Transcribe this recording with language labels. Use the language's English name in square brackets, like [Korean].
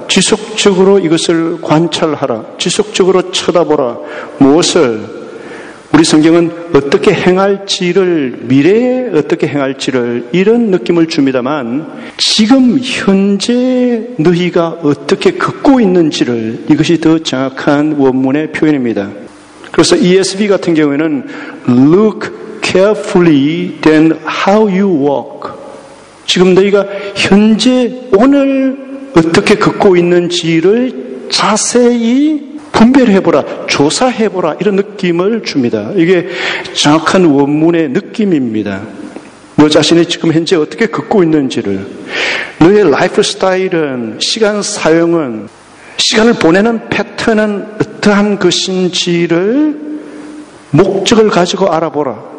[Korean] 지속적으로 이것을 관찰하라. 지속적으로 쳐다보라. 무엇을? 우리 성경은 어떻게 행할지를, 미래에 어떻게 행할지를 이런 느낌을 줍니다만 지금 현재 너희가 어떻게 걷고 있는지를, 이것이 더 정확한 원문의 표현입니다. 그래서 ESV 같은 경우에는 [English] Look carefully then how you walk. [Korean] 지금 너희가 현재 오늘 어떻게 걷고 있는지를 자세히 분별해보라, 조사해보라, 이런 느낌을 줍니다. 이게 정확한 원문의 느낌입니다. 너 자신이 지금 현재 어떻게 걷고 있는지를, 너의 라이프 스타일은, 시간 사용은, 시간을 보내는 패턴은 어떠한 것인지를 목적을 가지고 알아보라.